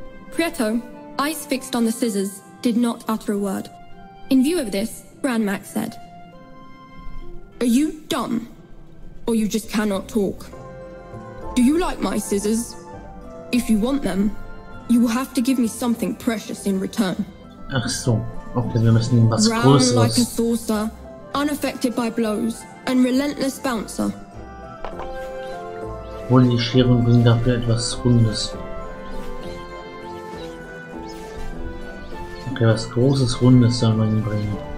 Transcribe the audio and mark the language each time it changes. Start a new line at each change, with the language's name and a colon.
English: Prieto, eyes fixed on the scissors, did not utter a word. In view of this, Bran Mac said, Are you dumb or you just cannot talk? Do you like my scissors? If you want them, you will have to give me something precious in return.
German: Ach so, okay, wir müssen ihm was Größeres.
English: Round like a saucer, unaffected by blows, and relentless bouncer.
German: Hol die Schere und bring dafür etwas Rundes. Okay, was Großes Rundes soll man ihm bringen.